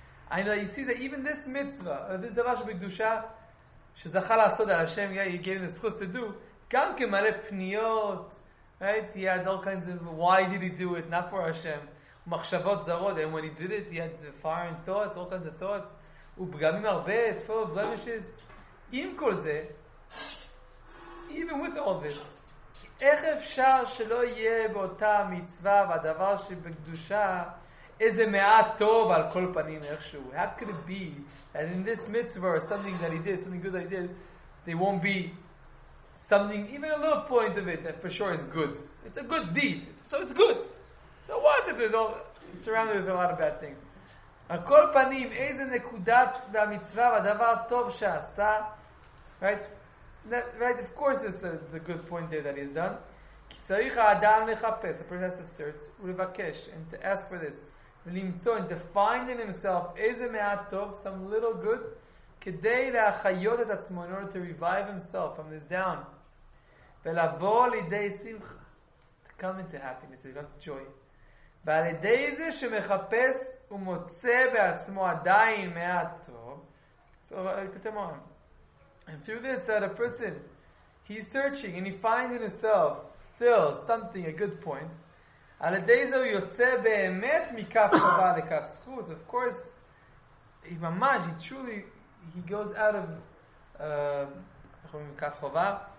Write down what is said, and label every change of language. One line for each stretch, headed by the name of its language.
English: I know, you see that even this mitzvah, this davar shebekdusha, shezachah la'asod al Hashem, he gave him the zchus to do, gam ke male pniyot, right? He had all kinds of, why did he do it? Not for Hashem. Machshavot zarot, and when he did it, he had foreign thoughts, all kinds of thoughts. Ubgamim arve, it's full of blemishes.
Hebrew: Im kol ze,
English: even with all this,
Hebrew: איך אפשר שלא יהיה באותה מצווה והדבר שבקדושה איזה מעט טוב על כל פנים איכשהו.
English: How could it be that in this mitzvah or something that he did, something good that he did, they won't be something, even a little point of it, that for sure is good. It's a good deed. So it's good. So what if it's all surrounded with a lot of bad things?
Hebrew: על כל פנים, איזה נקודת והמצווה והדבר טוב שעשה, right?
English: That, right? Of course it's the good point there that he's done.
Hebrew: כי צריך האדם לחפש,
English: the person has to search,
Hebrew: ולבקש,
English: and to ask for this.
Hebrew: ולמצוא,
English: to find in himself
Hebrew: איזה מעט טוב,
English: some little good,
Hebrew: כדי להחיות את עצמו,
English: in order to revive himself from this down.
Hebrew: ולבוא לידי שמחה,
English: to come into happiness, to come to joy.
Hebrew: ועל ידי זה שמחפש ומוצא בעצמו עדיין מעט טוב.
English: So, כתם on. And through this, that a person, he's searching, and he finds in himself, still, something, a good point.
Hebrew: על ידי זה הוא יוצא באמת מכף חובה לכף זכות.
English: Of course, he ממש, he truly, he goes out of,
Hebrew: איך אומרים, כף חובה?